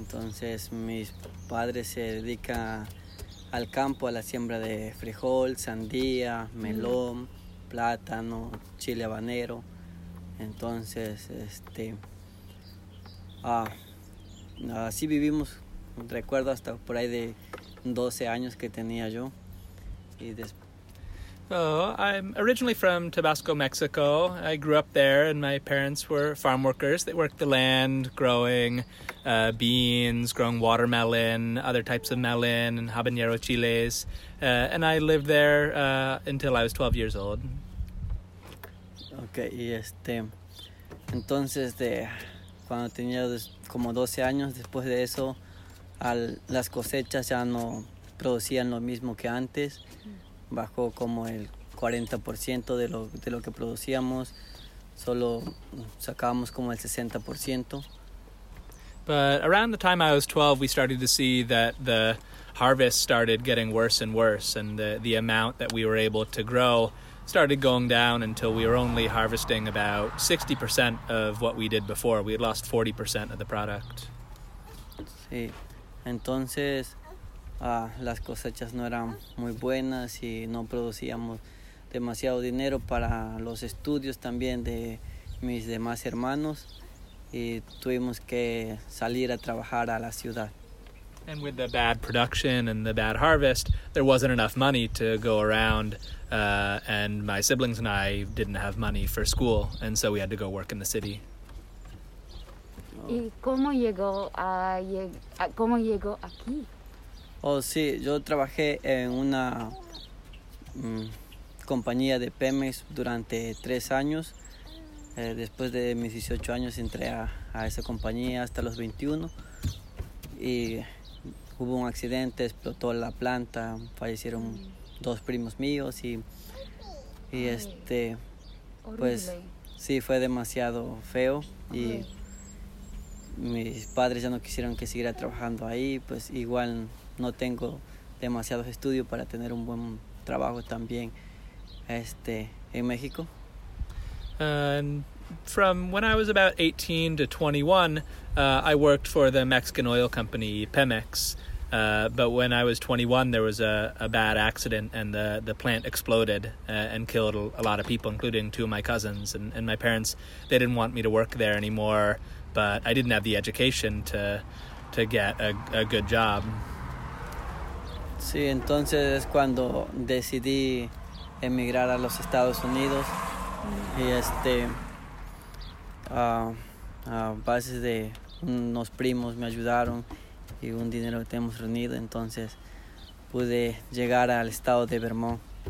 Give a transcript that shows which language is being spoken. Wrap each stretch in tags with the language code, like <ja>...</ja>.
<es>Entonces, mis padres se dedican al campo, a la siembra de frijol, sandía, melón, uh-huh, plátano, chile habanero. Entonces, así vivimos, recuerdo hasta por ahí de 12 años que tenía yo.</es> <en>I'm originally from Tabasco, Mexico. I grew up there and my parents were farm workers. They worked the land growing beans, growing watermelon, other types of melon, and habanero chiles. And I lived there until I was 12 years old.</en> <es>Okay, y entonces de... cuando tenía como 12 años, después de eso, las cosechas ya no producían lo mismo que antes. Bajó como el 40% de lo que producíamos. Solo sacábamos como el 60%.</es> <en>But around the time I was 12, we started to see that the harvest started getting worse and worse, and the amount that we were able to grow started going down until we were only harvesting about 60% of what we did before. We had lost 40% of the product.</en> <es>Sí, entonces las cosechas no eran muy buenas y no producíamos demasiado dinero para los estudios también de mis demás hermanos y tuvimos que salir a trabajar a la ciudad.</es> <en>And with the bad production and the bad harvest, there wasn't enough money to go around, and my siblings and I didn't have money for school, and so we had to go work in the city.</en> <es>¿Y cómo llegó a cómo llegó aquí? Oh, sí, yo trabajé en una compañía de Pemex durante 3 años. Después de mis 18 años entré a esa compañía hasta los 21. Y hubo un accidente, explotó la planta, fallecieron dos primos míos y este, horrible. Pues sí, fue demasiado feo. Ay. Y mis padres ya no quisieron que siguiera trabajando ahí, pues igual no tengo demasiados estudios para tener un buen trabajo también en México.</es> <en>And from when I was about 18 to 21, I worked for the Mexican oil company Pemex. But when I was 21, there was a bad accident, and the plant exploded and killed a lot of people, including two of my cousins. And my parents, they didn't want me to work there anymore, but I didn't have the education to get a good job.</en> <es>Sí, entonces es cuando decidí emigrar a los Estados Unidos. Y a base de unos primos me ayudaron y un dinero que tenemos reunido, entonces pude llegar al estado de Vermont.</es>